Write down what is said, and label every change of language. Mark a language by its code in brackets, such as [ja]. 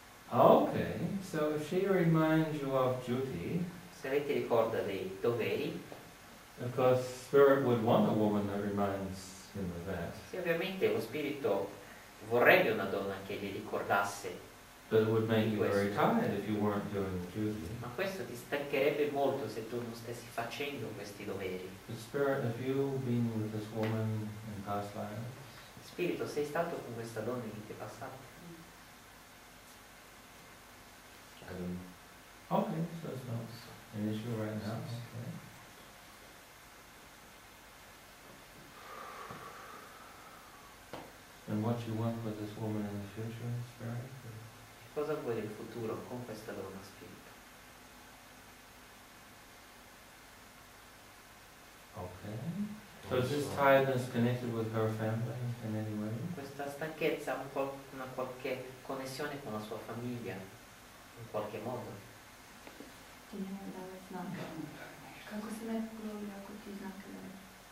[en] Ok, so if she reminds you of duty. [it] Se lei ti ricorda dei doveri. [en] Of course, spirit would want a woman that reminds him of that. [it] Sì, ovviamente lo spirito vorrebbe una donna che gli ricordasse. [en] But it would make you very tired if you weren't doing the duty. [it] Ma questo ti stancherebbe molto se tu non stessi facendo questi doveri. [en] But spirit, have you been with this woman in past lives? [it] Spirito, sei stato con questa donna in vite passate? [en] Okay, so it's not an issue right now. Okay. And what you want with this woman in the future, Spirit? [it] Cosa vuoi del futuro con questa donna, Spirito? [en] Okay. So is this tiredness connected with her family in any way? [it] Questa stanchezza ha una qualche connessione con la sua famiglia, in qualche modo? Non è una cosa che si può dire, non è una cosa che si può dire.